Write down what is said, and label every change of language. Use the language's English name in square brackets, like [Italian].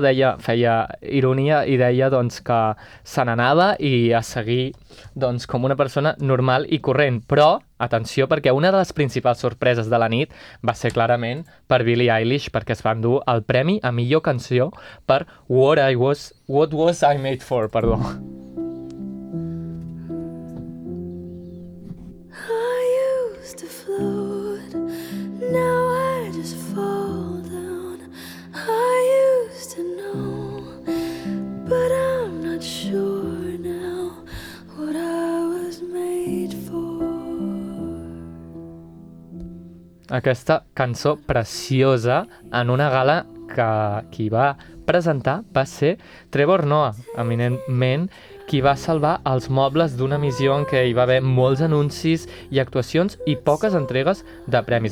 [Catalan] Deia, feia ironia i deia doncs, que se n'anava i a seguir doncs, com una persona normal i corrent. Però, atenció, perquè una de les principals sorpreses de la nit va ser clarament per Billie Eilish, perquè es va endur el premi a millor canció per What Was I Made For, perdó. [English] I used to float, now I just fall. I used to know, but I'm not sure now what I was made for. [Catalan] Aquesta cançó preciosa en una gala que qui va presentar va ser Trevor Noah, eminentment, qui va salvar els mobles d'una missió en què hi va haver molts anuncis i actuacions i poques entregues de premis.